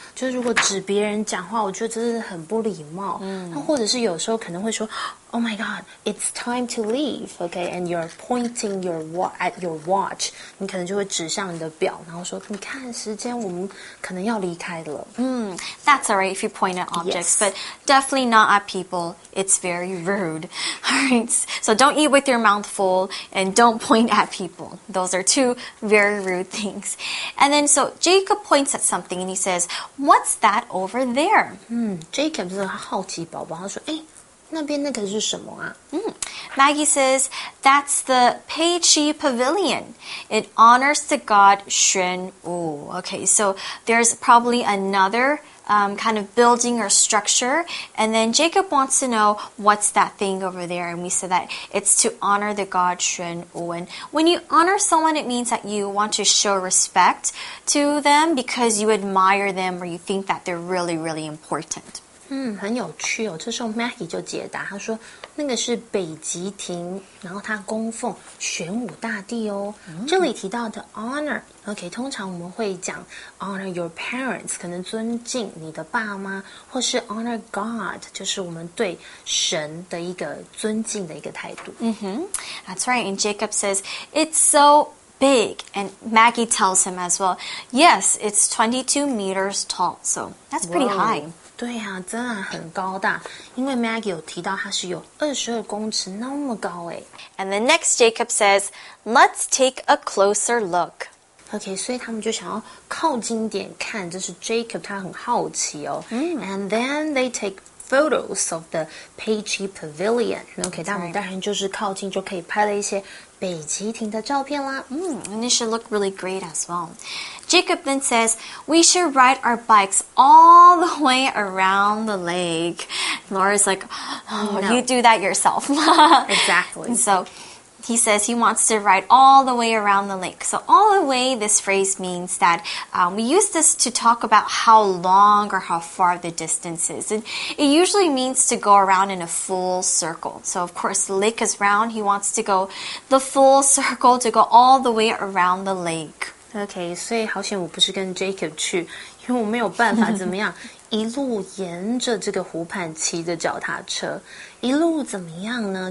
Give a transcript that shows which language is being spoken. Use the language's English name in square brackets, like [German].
[Chinese] 就是如果指别人讲话，我觉得这是很不礼貌。那或者是有时候可能会说。 [English] Oh my God, it's time to leave, okay? And you're pointing at your watch. [Chinese] 你可能就会指向你的表，然后说，你看时间，我们可能要离开了。 [English] That's all right if you point at objects, But definitely not at people. It's very rude. All right, so don't eat with your mouth full and don't point at people. Those are two very rude things. And then, so Jacob points at something and he says, what's that over there? [Chinese] Jacob 是好奇宝宝，他说，哎。那边那个是什么啊？ [English] Maggie says, that's the Peiqi Pavilion. It honors the god Xuan Wu. Okay, so there's probably another kind of building or structure. And then Jacob wants to know what's that thing over there. And we said that it's to honor the god Xuan Wu. And when you honor someone, it means that you want to show respect to them because you admire them or you think that they're really, really important. [Chinese] 很有趣哦。这时候 Maggie 就解答，他说那个是北极亭，然后他供奉玄武大帝哦。这里提到的 honor， OK， 通常我们会讲 honor your parents，可能尊敬你的爸妈，或是 honor God，就是我们对神的一个尊敬的一个态度。 [English] That's right. And Jacob says it's so. Big, and Maggie tells him as well, yes, it's 22 meters tall, so that's pretty high. [Chinese] 对啊，真的很高大，因为 Maggie 有提到它是有22公尺那么高耶。 [English] And then next, Jacob says, let's take a closer look. [Chinese] Okay, 所以他们就想要靠近一点看，这是 Jacob 他很好奇哦。 [English] And then they take photos of the Peiqi Pavilion. [Chinese] Okay, 他们当然就是靠近就可以拍了一些北极亭的照片啦。 [English] And it should look really great as well. Jacob then says, we should ride our bikes all the way around the lake. Laura's like, oh, no. You do that yourself. Exactly. So he says he wants to ride all the way around the lake. So all the way, this phrase means that we use this to talk about how long or how far the distance is. And it usually means to go around in a full circle. So of course, the lake is round. He wants to go the full circle to go all the way around the lake. [Chinese] Okay, 所以好险我不是跟 Jacob 去，因为我没有办法怎么样。一路沿着这个湖畔骑着脚踏车，一路怎么样呢？